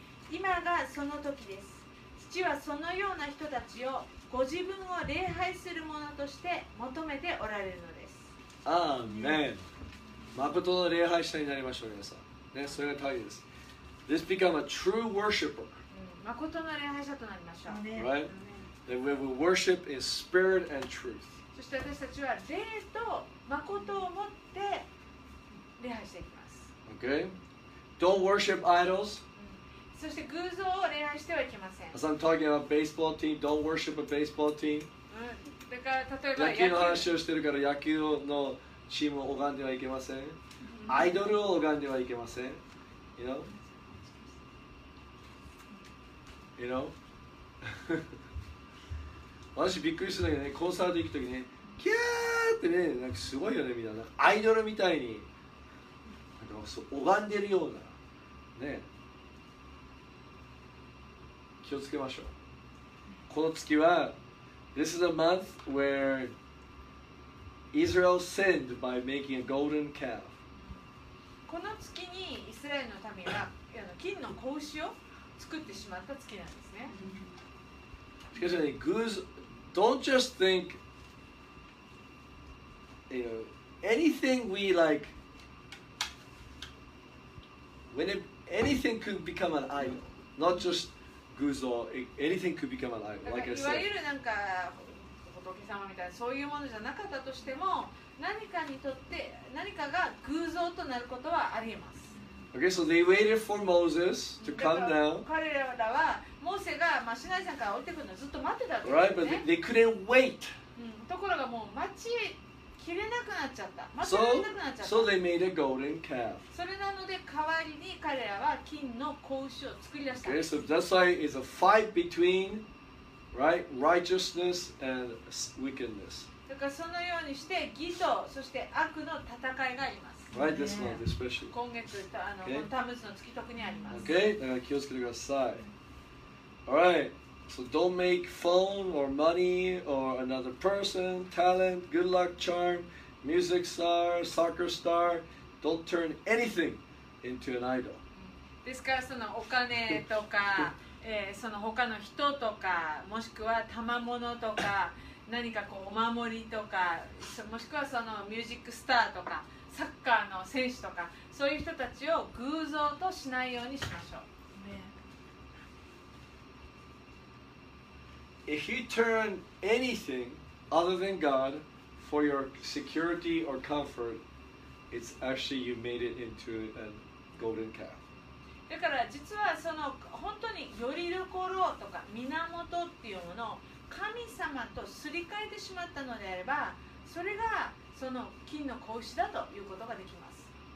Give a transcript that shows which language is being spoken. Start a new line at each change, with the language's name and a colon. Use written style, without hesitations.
Japanese: 今がその時です。父はそのような人たちをご自分を礼拝する者として求めておられるのです。アーメン。誠の礼拝者になりましょう皆さん、ね、それが大事です。
English: This become a true worshiper.
Japanese: 誠の礼拝者となりましょう。
English: Right? And we will worship in spirit and truth.
Japanese: そして私たちは霊と誠を持って礼拝していきます。
English: Okay. Don't worship idols.
Japanese: そして偶像を礼拝してはいけません。
English: As I'm talking about baseball team, don't worship a baseball team.
Japanese: だから例えば野球の話をしてるから野球のチームを拝んではいけません。アイドルを拝んではいけません。
English: You know? You know?
Japanese: 私びっくりするんだけどね、コンサート行くときね、キャーってね、なんかすごいよね、みたいな、アイドルみたいに、なんかそう拝んでるような、ね、気をつけましょう。この月は
English: This is a month where Israel sinned by making a golden calf.
Japanese: この月にイスラエルの民が金の子牛を作ってしまった月なんですね。
English: しかしね、goose, don't just think, you know, anything we like, when it, anything could become an idol, not just goose or anything could become an idol, like I said.
Japanese: いわゆるなんか仏様みたいなそういうものじゃなかったとしても、何かにとって何かが偶像となることはありえます。
English: Okay, so they waited for Moses to come down.
Japanese: 彼らはモーセがまあシナイ山から降りてくるのをずっと待ってたんです
English: ね。Right, but they couldn't wait.
Japanese: ところがもう待ちきれなくなっちゃった。待ちきれなくなっちゃった。
English: So they made a golden calf.
Japanese: それなので代わりに彼らは金の子牛を作り出した。
English: Okay, so that's why it's a fight between, right, righteousness and wickedness.
Japanese: だからそのようにして義とそして悪の戦いがあります。
English: Right, this month especially.
Japanese: 今月あの、okay. タムズの月特にあります。
English: Okay,
Japanese: だから気をつけてください。
English: Alright, so don't make phone or money or another person, talent, good luck charm, music star, soccer star. Don't turn anything into an idol.
Japanese: ですからそのお金とか、その他の人とかもしくは賜物とか何かこうお守りとかもしくはそのミュージックスターとか。サッカーの選手とかそういう人たちを偶像としないようにしましょう。
English: ね、If you turn anything other than God for your security or comfort, it's actually you made it into a golden calf.
Japanese: だから実はその本当によりどころとか源っていうものを神様とすり替えてしまったのであれば、それがその金の子牛だということができます。